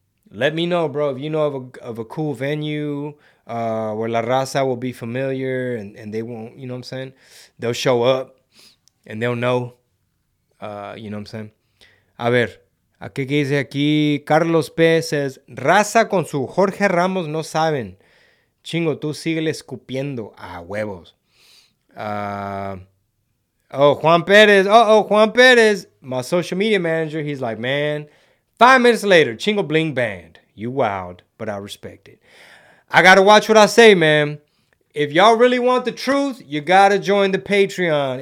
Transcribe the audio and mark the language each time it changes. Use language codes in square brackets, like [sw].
[en] Let me know, bro, if you know of a cool venue, where La Raza will be familiar and they won't, you know what I'm saying? They'll show up and they'll know, you know what I'm saying? [es] A ver, aquí que dice aquí, Carlos P. says, Raza con su Jorge Ramos no saben. Chingo, tú síguele escupiendo a huevos. [en] Juan Perez, my social media manager, he's like, man, 5 minutes later, Chingo Bling banned. You wild, but I respect it. I got to watch what I say, man. If y'all really want the truth, you got to join the Patreon.